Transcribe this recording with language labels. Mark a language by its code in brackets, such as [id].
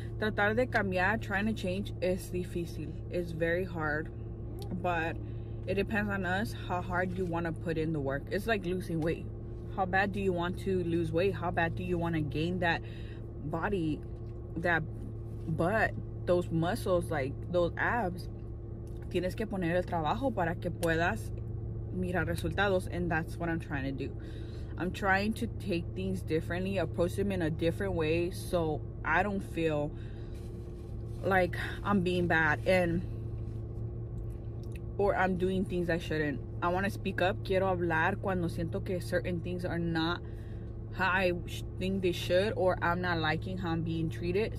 [es] tratar de cambiar, [en] trying to change, is difícil. It's very hard. But it depends on us how hard you want to put in the work. It's like losing weight. How bad do you want to lose weight? How bad do you want to gain that body, that butt, those muscles, like those abs? [es] Tienes que poner el trabajo para que puedas mirar resultados. [en] And that's what I'm trying to do. I'm trying to take things differently, approach them in a different way, so I don't feel like I'm being bad and or I'm doing things I shouldn't. I want to speak up. [es] Quiero hablar cuando siento que [en] certain things are not how I think they should, or I'm not liking how I'm being treated.